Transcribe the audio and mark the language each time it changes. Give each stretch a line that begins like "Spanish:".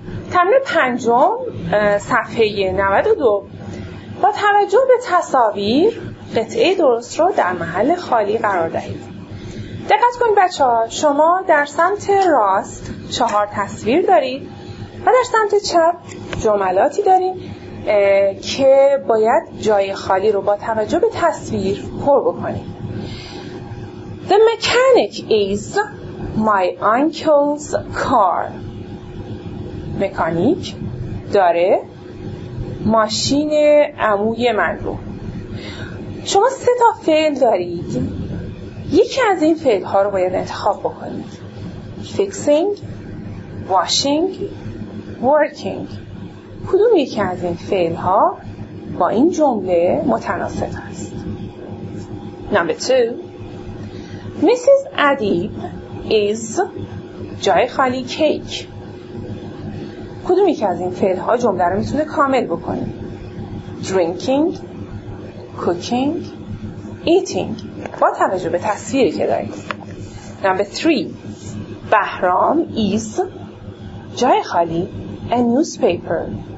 Persian: مثال پنجم صفحه 92، با توجه به تصاویر قطعه درست رو در محل خالی قرار دهید. دقت کنید بچه ها، شما در سمت راست 4 تصویر دارید و در سمت چپ جملاتی دارید که باید جای خالی رو با توجه به تصویر پر بکنید.
English: The mechanic is my uncle's car.
Persian: مکانیک داره ماشین عموی من رو. شما 3 تا فعل دارید، یکی از این فعل ها رو باید انتخاب بکنید:
English: fixing, washing, working.
Persian: کدوم یکی از این فعل ها با این جمله متناسب است؟
English: Number 2. Mrs. Adib is
Persian: جای خالی
English: cake.
Persian: کدوم یکی از این فعل ها جمله رو میتونه کامل بکنه؟
English: Drinking, cooking, eating.
Persian: با توجه به تصویری که دارید.
English: Number 3. Bahram is
Persian: جای خالی
English: a newspaper.